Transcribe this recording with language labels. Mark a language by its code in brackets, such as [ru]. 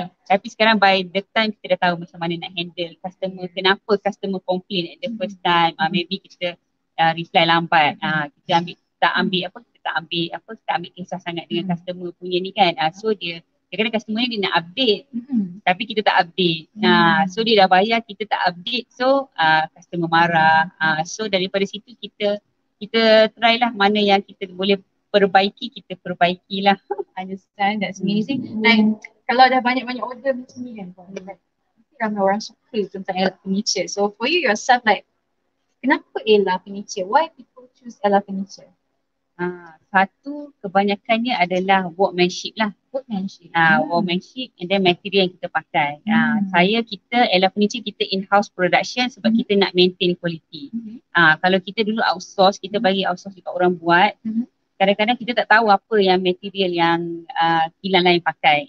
[ms] Tapi sekarang [en] by the time [ms] kita dah tahu macam mana nak handle customer, kenapa customer complain [en] at the first time, [ms] maybe kita reply lambat, kita tak ambil kisah sangat dengan customer punya ni kan. So dia, kadang-kadang customer ni dia nak update, tapi kita tak update. So dia dah bayar, kita tak update, so customer marah. So daripada situ kita try lah mana yang kita boleh perbaiki, kita perbaikilah. [en] I understand, that's amazing. [ms] Like, kalau dah banyak-banyak order macam ni kan, like, ramai orang suka tentang Ella Furniture. So [en] for you yourself, [ms] like, kenapa Ella Furniture? [en] Why people choose Ella Furniture? [ms] Satu, kebanyakannya adalah workmanship lah. [en] Workmanship. Workmanship and then [ms] material yang kita pakai. Kita Ella Furniture, kita in-house production sebab kita nak maintain quality. Kalau kita dulu outsource, kita bagi outsource dekat orang buat, kadang-kadang kita tak tahu apa yang material yang kilang lain pakai.